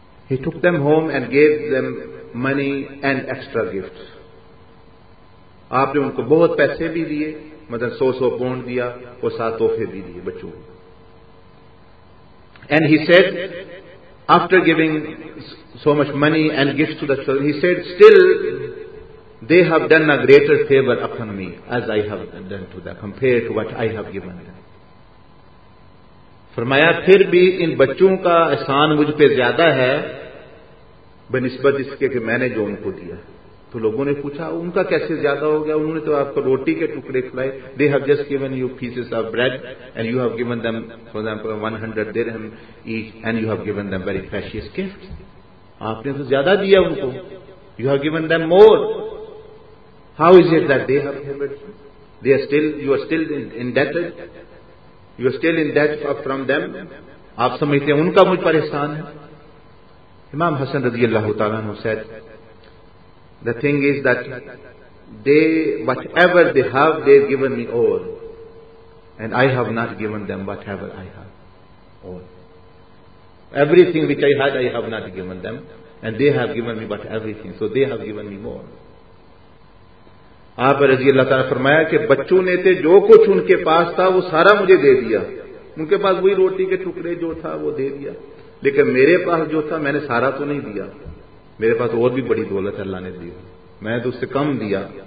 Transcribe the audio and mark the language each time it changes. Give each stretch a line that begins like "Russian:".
English: He took them home and gave them money and extra gifts.
Urdu: آپ نے ان کو بہت پیسے بھی دیئے مطلب 100 pounds دیا اور ساتھ تحفے بھی دیئے بچوں.
English: And he said after giving so much money and gifts to the children, he said still they have done a greater favor upon me as I have done to them compared to what I have given them.
Urdu: فرمایا پھر بھی ان بچوں کا احسان مجھ پہ زیادہ ہے بنسبت اس کے کہ میں نے جو ان کو دیا. تو لوگوں نے پوچھا ان کا کیسے زیادہ ہو گیا, انہوں نے تو آپ کو روٹی کے ٹکڑے کھلائے.
English: They have just given you pieces of bread and you have given them for example 100 dirham each and you have given them very precious gifts.
Urdu: آپ نے تو زیادہ دیا ان کو.
English: You have given them more. How is it that they have favored you? You are still indebted. You are still in debt from them.
Urdu: Aap samajhte hain unka mujh par ehsaan hai.
English: Imam Hassan radiyallahu ta'ala anhu said, the thing is that they, whatever they have, they have given me all. And I have not given them whatever I have. All. Everything which I had, I have not given them. And they have given me but everything. So they have given me more.
Urdu: آپ رضی اللہ تعالیٰ نے فرمایا کہ بچوں نے تھے جو کچھ ان کے پاس تھا وہ سارا مجھے دے دیا. ان کے پاس وہی روٹی کے ٹکڑے جو تھا وہ دے دیا, لیکن میرے پاس جو تھا میں نے سارا تو نہیں دیا. میرے پاس اور بھی بڑی دولت ہے, اللہ نے دی, میں تو اس سے کم دیا.